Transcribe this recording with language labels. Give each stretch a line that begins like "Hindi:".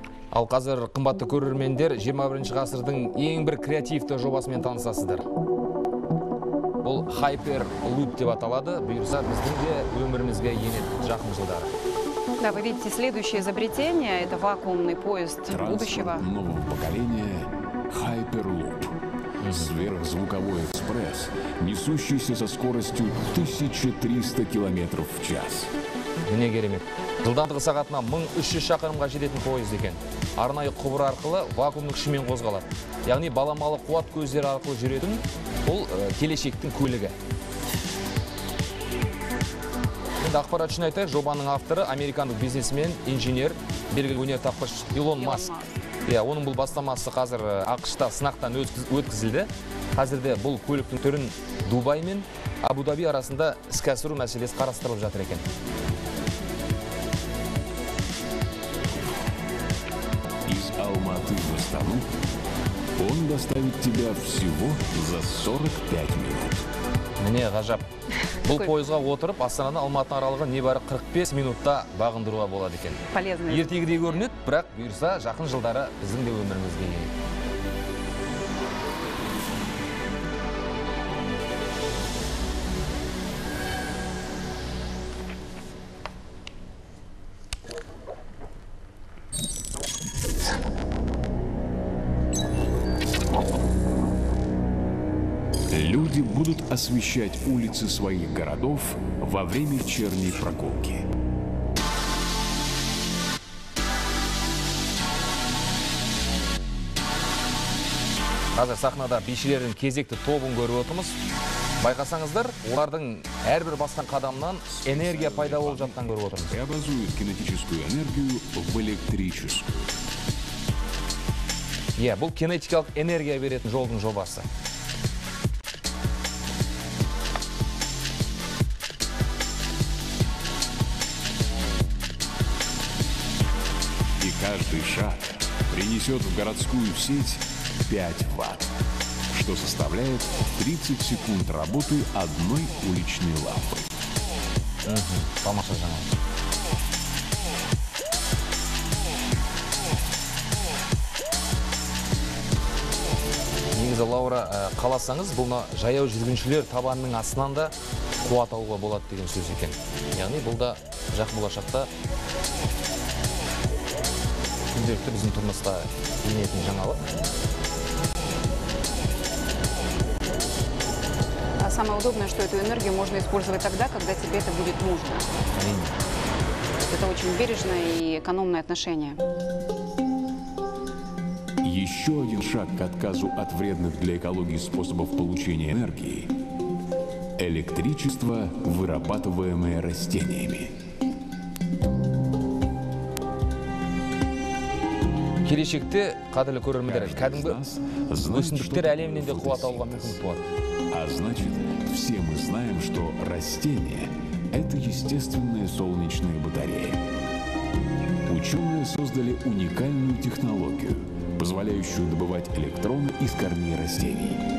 Kazakh: Ал қазір қымбатты көрермендер 21-ші ғасырдың ең бір креативті жобасымен танысасыздар. Бұл Hyperloop деп аталады, бұйырса біздің де өмірімізге енеді жақын жылдар.
Russian: Да, вы видите, следующее изобретение – это вакуумный поезд транспорт будущего. Нового поколения Hyperloop. Сверхзвуковой экспресс, несущийся со скоростью 1300 км в час.
Kazakh: Мне керемет. Жылдамдығы сағатына 1300 шақырымға жететін поезд екен. Арнайы құбыр арқылы вакуумның күшімен қозғалады. Яғни баламалы қуат көздері арқылы жүретін, бұл келешектің көлігі. Ақпарат үшін айтайық, жобаның авторы американдық бизнесмен, инженер, белгілі өнертапқыш Илон Маск. Оның бұл бастамасы қазір ақшыта сынақтан өткізілді. Қазірде бұл көліктің түрін Дубай мен Абу-Даби арасында іске асыру мәселесі қарастырылып жатыр екен.
Russian: Из Алматы в Астану он доставит тебя всего за 45 минут.
Kazakh: Міне, ғажап. Бұл поезға отырып, Астананы Алматының аралығы небәрі 45 минутта бағындыруға болады екен.
Russian: Полезный.
Kazakh: Ертегідей көрінеді, бірақ бұйырса жақын жылдары біздің де өмірімізге енеді.
Russian: Люди будут освещать улицы своих городов во время вечерней прогулки.
Kazakh: Қазір сахнада бишілердің кезекті тобын көріп отырмыз. Байқасаңыздар, олардың әрбір басқан қадамынан энергия пайда болып жатқан көріп отырмыз.
Russian: Преобразуют кинетическую энергию в электрическую.
Kazakh: Бұл кинетикалық энергия беретін жолдың жобасы.
Russian: И каждый шаг принесет в городскую сеть 5 ватт, что составляет 30 секунд работы одной уличной лампы.
Kazakh: Негізі, Лаура, қаласаңыз, бұлна жаяу жүргіншілер табанының астынан да қуат алуға болады деген сөз екен. Яғни, бұлда жақын болашақта күнделікті біздің тұрмысқа енетін жаңалық.
Russian: Самое удобное, что эту энергию можно использовать тогда, когда тебе это будет нужно. Это очень бережное и экономное отношение. Еще один шаг к отказу от вредных для экологии способов получения энергии – электричество, вырабатываемое растениями.
Kazakh: Келешекте, қадырлы көрермендер, кәдімгі өсімдіктер әлемінен де қуат алуға мүмкіндік туады.
Russian: А значит, все мы знаем, что растения – это естественные солнечные батареи. Ученые создали уникальную технологию, позволяющую добывать электроны из корней растений.